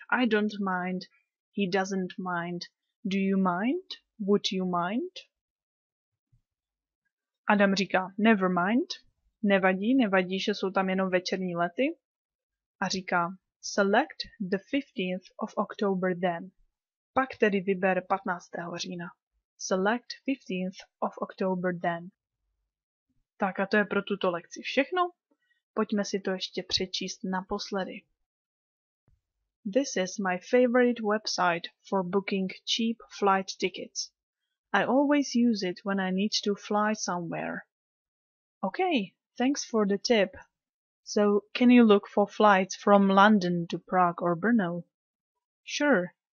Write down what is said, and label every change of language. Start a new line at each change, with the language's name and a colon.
English: I don't mind, he doesn't mind, do you mind, would you mind?
Czech: Adam říká
English: never mind,
Czech: nevadí, že jsou tam jenom večerní lety a říká
English: select the 15th of October then.
Czech: Pak tedy vyber 15. října.
English: Select 15th of October then.
Czech: Tak a to je pro tuto lekci všechno. Pojďme si to ještě přečíst naposledy.
English: This is my favorite website for booking cheap flight tickets. I always use it when I need to fly somewhere. Okay, thanks for the tip. So, can you look for flights from London to Prague or Brno? Sure.